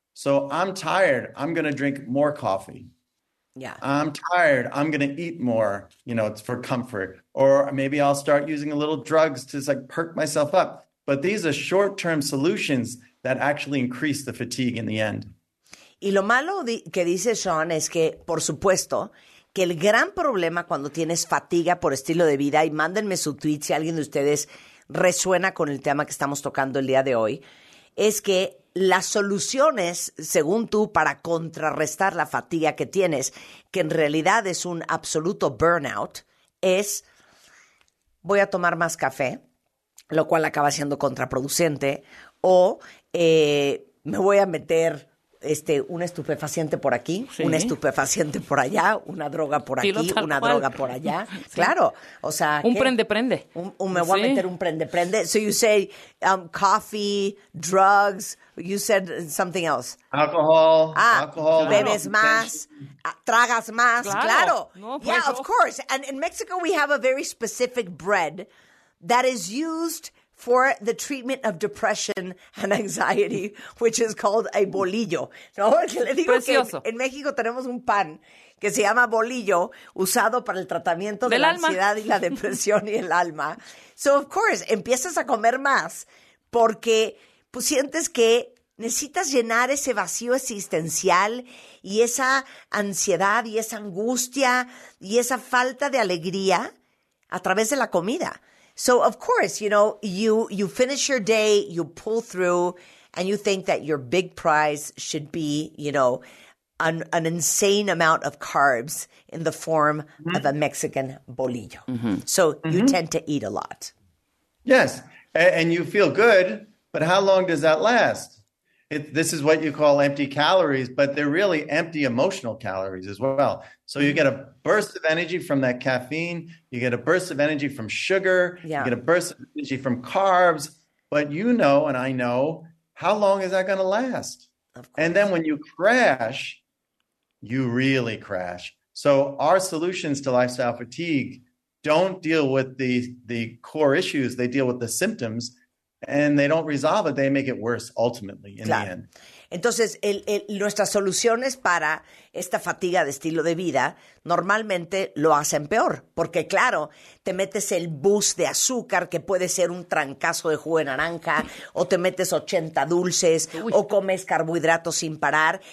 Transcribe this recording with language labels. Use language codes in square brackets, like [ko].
[en] So I'm tired. I'm going to drink more coffee. Yeah. I'm tired. I'm going to eat more, you know, for comfort. Or maybe I'll start using a little drugs to just like perk myself up. But these are short-term solutions that actually increase the fatigue in the end. [es] Y lo malo que dice Sean es que, por supuesto, que el gran problema cuando tienes fatiga por estilo de vida, y mándenme su tweet si alguien de ustedes resuena con el tema que estamos tocando el día de hoy, es que las soluciones, según tú, para contrarrestar la fatiga que tienes, que en realidad es un absoluto burnout, es voy a tomar más café, lo cual acaba siendo contraproducente, o me voy a meter un estupefaciente por aquí, sí, un estupefaciente por allá, una droga por aquí, una droga por allá. Sí. Claro, o sea... Un prende-prende. Me voy a meter un prende-prende. [en] So you say coffee, drugs, you said something else. Alcohol. [es] Bebes más, tragas más, claro. [en] Of course. And in Mexico, we have a very specific bread that is used for the treatment of depression and anxiety, which is called a bolillo. [es] ¿No? Le digo precioso. Que en México tenemos un pan que se llama bolillo, usado para el tratamiento de la ansiedad y la depresión y el alma. [en] So, of course, [es] empiezas a comer más porque pues, sientes que necesitas llenar ese vacío existencial y esa ansiedad y esa angustia y esa falta de alegría a través de la comida. [en] So, of course, you know, you finish your day, you pull through, and you think that your big prize should be, you know, an insane amount of carbs in the form of a Mexican bolillo. Mm-hmm. So you tend to eat a lot. Yes, and you feel good, but how long does that last? This is what you call empty calories, but they're really empty emotional calories as well. So you get a burst of energy from that caffeine. You get a burst of energy from sugar. Yeah. You get a burst of energy from carbs. But you know, and I know, how long is that going to last? Of course. And then when you crash, you really crash. So our solutions to lifestyle fatigue don't deal with the core issues. They deal with the symptoms. And they don't resolve it, they make it worse ultimately in the end. [es] Entonces, nuestras soluciones para esta fatiga de estilo de vida normalmente lo hacen peor. Porque, claro, te metes el boost de azúcar, que puede ser un trancazo de jugo de naranja, o te metes 80 dulces, o comes carbohidratos sin parar.